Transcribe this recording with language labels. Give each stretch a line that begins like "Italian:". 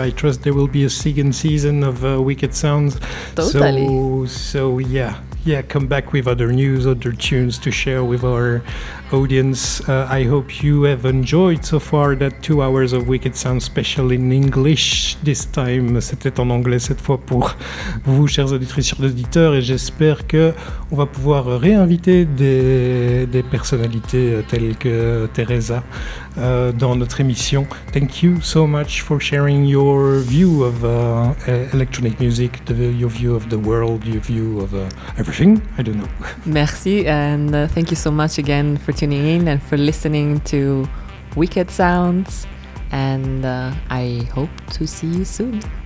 English: I trust there will be a second season of Wicked Sounds. Totally. So, come back with other news, other tunes to share with our audience. I hope you have enjoyed so far that 2 hours of Wicked Sound special in English this time.
French: C'était en anglais cette fois pour vous, chers auditrices, chers auditeurs, et j'espère qu'on va pouvoir réinviter des personnalités telles que Teresa dans notre émission.
English: Thank you so much for sharing your view of electronic music, your view of the world, your view of everything. I don't know. Merci, and thank you so much again for tuning in and for listening to Wicked Sounds, and I hope to see you soon.